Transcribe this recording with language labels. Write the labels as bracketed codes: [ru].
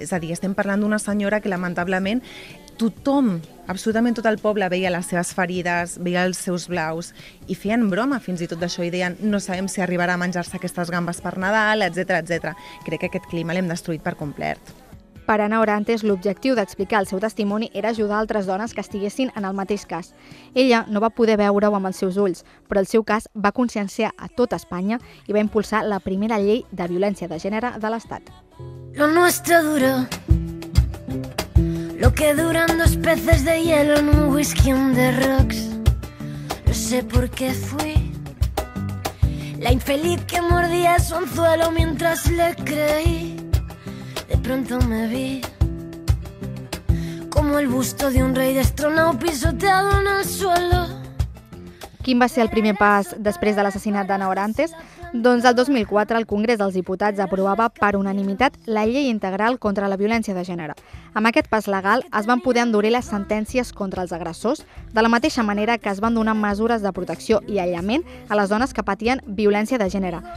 [ca] És a dir, estem parlant d'una senyora que lamentablement tothom, absolutament tot el poble, veia les seves ferides, veia els seus blaus i feien broma fins i tot d'això i deien no sabem si arribarà a menjar-se aquestes gambes per Nadal, etc. Crec que aquest clima l'hem destruït per complet. Per Ana Orantes, l'objectiu d'explicar el seu testimoni era ajudar altres dones que estiguessin en el mateix cas. Ella no va poder veure-ho amb els seus ulls, però el seu cas va conscienciar a tot Espanya i va impulsar la primera llei de violència de gènere de l'Estat. [es] Lo nuestro duro, lo que duran dos peces de hielo en un whisky on the rocks. No sé por qué fui la infeliz que mordía su anzuelo mientras le creí. De pronto me vi como el busto de un rey destronado pisoteado en el suelo. [ca] Quin va ser el primer pas després de l'assassinat d'Ana Orantes? Doncs el 2004 el Congrés dels Diputats aprovava per unanimitat la Llei Integral contra la Violència de Gènere. Amb aquest pas legal es van poder endurir les sentències contra els agressors, de la mateixa manera que es van donar mesures de protecció i aïllament a les dones que patien violència de gènere.